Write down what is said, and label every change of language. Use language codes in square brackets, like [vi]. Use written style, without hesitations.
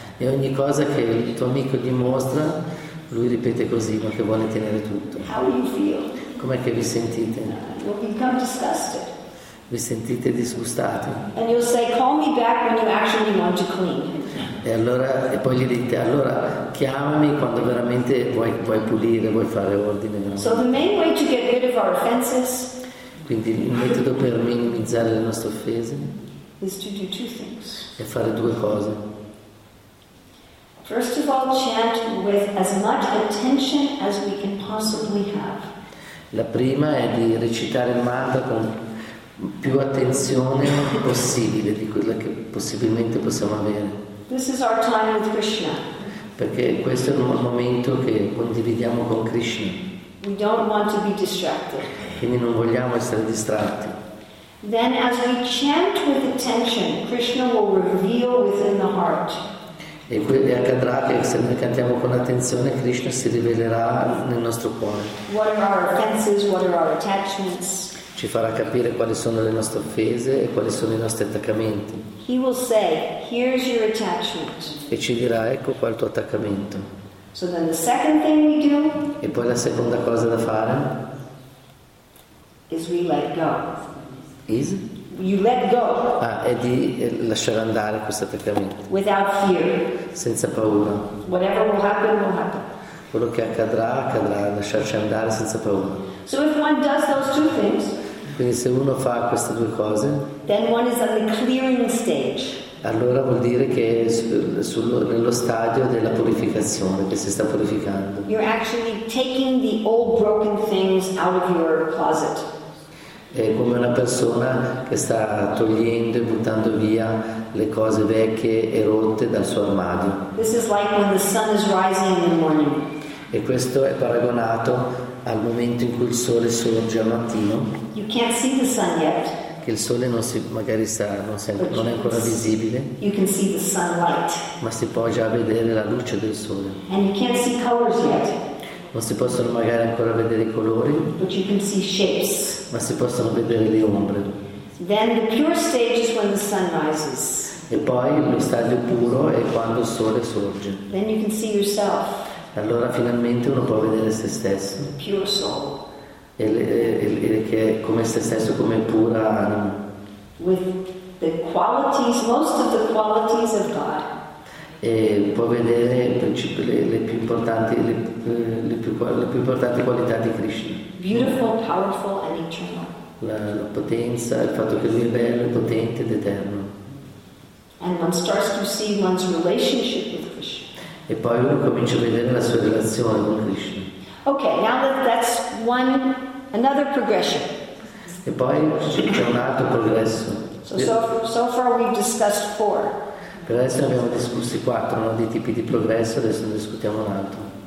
[it] E ogni cosa che il tuo amico gli mostra, lui ripete così, ma che vuole tenere tutto. [en] How you feel? [it] Com'è che vi sentite? [en] You'll become disgusted. [it] Vi sentite disgustati. [en] And you'll say, call me back when you actually want to clean. [it] E poi gli dite, allora chiamami quando veramente vuoi pulire, vuoi fare ordine. [en] No? So the main way to get rid of our offenses. [it] Quindi il metodo per minimizzare le nostre offese [en] is to do two things. [it] È fare due cose. [en] First of all, chant with as much attention as we can possibly have. [it] La prima è di recitare il mantra con più attenzione possibile di quella che possibilmente possiamo avere. [en] This is our time with Krishna. [it] Perché questo è un momento che condividiamo con Krishna. [en] We don't want to be distracted. [it] Quindi non vogliamo essere distratti. [en] Then as we chant with attention, Krishna will reveal within the heart. [it] E quindi accadrà che se noi cantiamo con attenzione, Krishna si rivelerà nel nostro cuore. [en] What are our offenses, what are our attachments? [it] Ci farà capire quali sono le nostre offese e quali sono i nostri attaccamenti. [en] He will say, here's your attachment. [it] E ci dirà, ecco qua il tuo attaccamento. [en] So then the second thing we do, [it] e poi la seconda cosa da fare [en] is we let go. Is? You let go. [it] È di lasciare andare questo attaccamento. [en] Without fear. [it] Senza paura. [en] Whatever will happen, will happen. [it] Quello che accadrà, accadrà, lasciarci andare senza paura. [en] So if one does those two things, [it] quindi se uno fa queste due cose, [en] then one is on the clearing stage. [it] Allora vuol dire che è nello stadio della purificazione, che si sta purificando. [en] You're actually taking the old broken things out of your closet. [it] È come una persona che sta togliendo e buttando via le cose vecchie e rotte dal suo armadio. [en] This is like when the sun is rising in the morning. [it] E questo è paragonato al momento in cui il sole sorge al mattino. [en] You can't see the sun yet. [it] Che il sole non si, magari sta, non, si, non è ancora visibile. [en] You can see the sunlight. [it] Ma si può già vedere la luce del sole. [en] And you can't see colors yet. [it] Non si possono magari ancora vedere i colori, [en] but you can see shapes. [it] Ma si possono vedere le ombre. [en] Then the pure stage is when the sun rises. [it] E poi lo stadio puro è quando il sole sorge. [en] Then you can see yourself. [it] Allora finalmente uno può vedere se stesso. [en] Pure soul. [it] E che è come se stesso, come pura anima. [en] With the qualities, most of the qualities of God. [it] E può vedere le più importanti qualità di Krishna. [en] Beautiful, powerful and eternal. [it] La potenza, il fatto che lui è bello, potente ed eterno. [en] And one starts to see one's relationship with Krishna. [it] E poi uno comincia a vedere la sua relazione con Krishna. [en] Okay, now that's another progression. [it] E poi c'è un altro progresso. [en] So far we've discussed four. [it] Per adesso abbiamo discusso quattro, no? Di tipi di progresso, adesso ne discutiamo un altro.